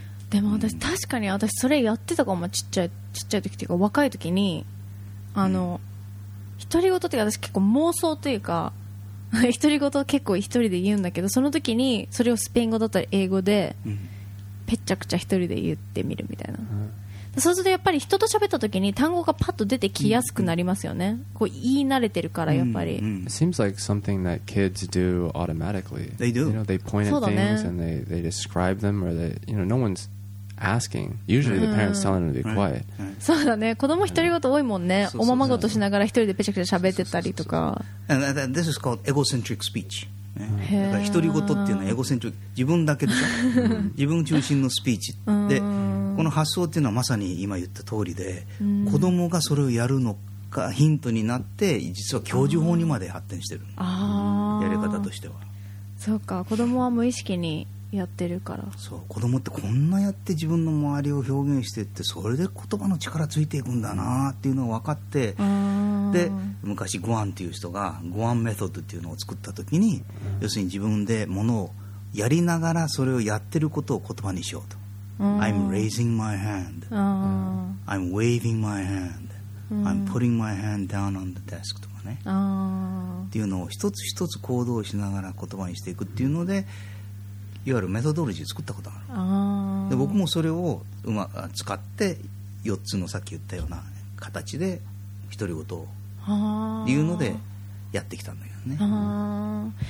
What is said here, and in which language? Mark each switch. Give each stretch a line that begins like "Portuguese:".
Japanese: でも私、確かに私それやってたかも。ちっちゃい時っていうか若い時に、あの独り言っていうか私結構妄想というか独り言結構一人で言うんだけど、その時にそれをスペイン語だったり英語でぺっちゃくちゃ一人で言ってみるみたいな、そうするとやっぱり人と喋った時に単語がパッと出てきやすくなりますよね。こう言い慣れてるからやっぱり。
English: It seems like something that kids do automatically. They do. You know, they point at things and they describe them, or they, you know, no one's asking. Usually the parents telling them to be quiet.
Japanese: そうだね。子供一人ごと多いもんね。おままごとしながら一人でぺちゃくちゃ喋ってたりとか。
English: And this is called egocentric speech.
Japanese: だから一人ごとっていうのはエゴセントリック、自分だけでしょ。自分中心のスピーチで。この発想っていうのはまさに今言った通りで、子供がそれをやるのかヒントになって実は教授法にまで発展してる。やり方としては。そうか、子供は無意識にやってるから。そう、子供ってこんなやって自分の周りを表現してって、それで言葉の力ついていくんだなっていうのを分かって、で昔グアンっていう人がグアンメソッドっていうのを作った時に、要するに自分でものをやりながらそれをやってることを言葉にしようと。
English: I'm raising my hand. I'm waving my hand. I'm putting my hand down on the desk.
Japanese: とかね。っていうのを一つ一つ行動しながら言葉にしていくっていうので、いわゆるメソドロジーを作ったことがある。で、僕もそれを使って4つのさっき言ったような形で独り言をっていうのでやってきたんだけどね。